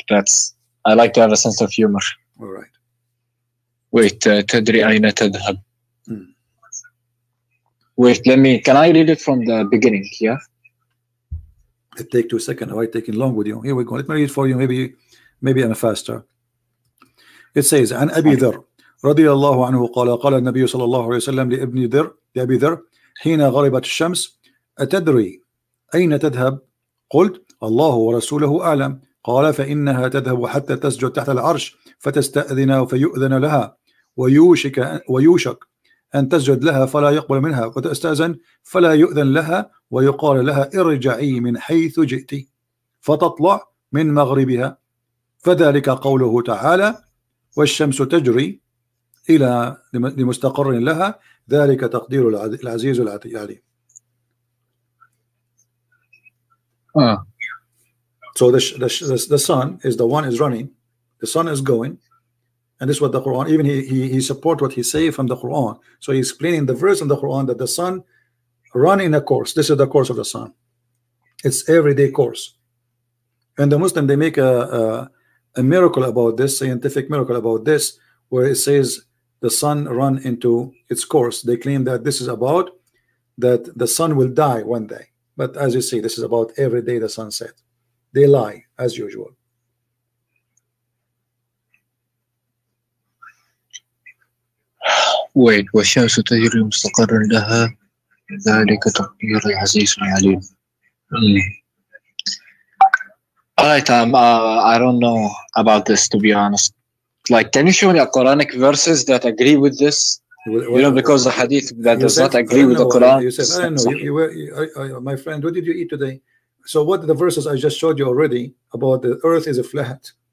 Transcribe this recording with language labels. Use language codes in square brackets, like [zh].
[en] That's, I like to have a sense of humor. All right. Wait, [ar] Tadri Aina Tadhab. [en] Wait, can I read it from the beginning, yeah? It takes 2 seconds. Am I taking long with you? Here we go. Let me read it for you. Maybe I'm faster. It says, [ar] An Abi Dhar, رضي الله عنه قال, قال النبي صلى الله عليه وسلم لابن ذر, لأبي ذر, حين غربت الشمس أتدري أين تذهب قلت الله ورسوله أعلم قال فإنها تذهب حتى تسجد تحت العرش فتستأذن فيؤذن لها ويوشك أن تسجد لها فلا يقبل منها وتستأذن فلا يؤذن لها ويقال لها ارجعي من حيث جئت فتطلع من مغربها فذلك قوله تعالى والشمس تجري إلى لمستقر لها ذلك تقدير العزيز العليم. [en] So the sun is the one is running, the sun is going, and this is what the Quran, even he support what he say from the Quran. So he's explaining the verse in the Quran that the sun run in a course. This is the course of the sun. It's everyday course. And the Muslim, they make a miracle about this, scientific miracle about this, where it says the sun run into its course. They claim that this is about that the sun will die one day. But as you see, this is about every day the sun set. They lie as usual. Wait, [ar] والشمس تجري مستقر لها ذلك تقدير العزيز العليم. [en] Alright, I don't know about this, to be honest. Like, can you show me a Quranic verses that agree with this? You know, because the hadith that does not agree with the Quran. You said, I don't know. My friend, what did you eat today? So what the verses I just showed you already about the earth is a flat?